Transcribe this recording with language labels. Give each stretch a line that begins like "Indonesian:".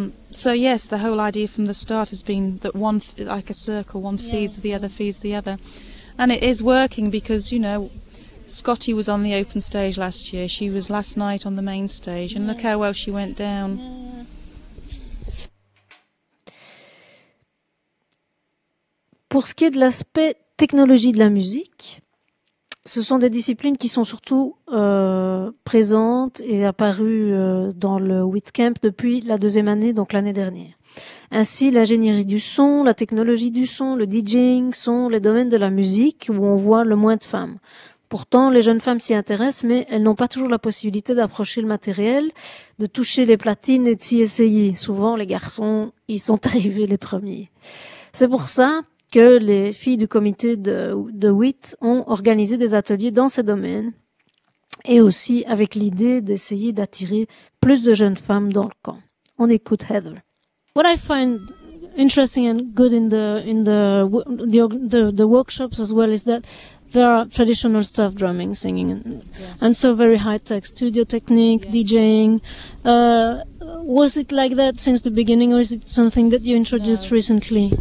English: So yes, the whole idea from the start has been that one, like a circle, one feeds the other, feeds the other, and it is working, because, you know, Scotty was on the open stage last year, she was last night on the main stage, and look how well she went down.
French: Pour ce qui est de l'aspect technologie de la musique, ce sont des disciplines qui sont surtout présentes et apparues dans le WITCamp depuis la deuxième année, donc l'année dernière. Ainsi, l'ingénierie du son, la technologie du son, le DJing sont les domaines de la musique où on voit le moins de femmes. Pourtant, les jeunes femmes s'y intéressent, mais elles n'ont pas toujours la possibilité d'approcher le matériel, de toucher les platines et de s'y essayer. Souvent, les garçons y sont arrivés les premiers. C'est pour ça que les filles du comité de WIT ont organisé des ateliers dans ces domaines, et aussi avec l'idée d'essayer d'attirer plus de jeunes femmes dans le camp. On écoute Heather.
English: What I find interesting and good in the workshops as well is that there are traditional stuff, drumming, singing, and so very high-tech studio technique, DJing. Was it like that since the beginning, or is it something that you introduced recently?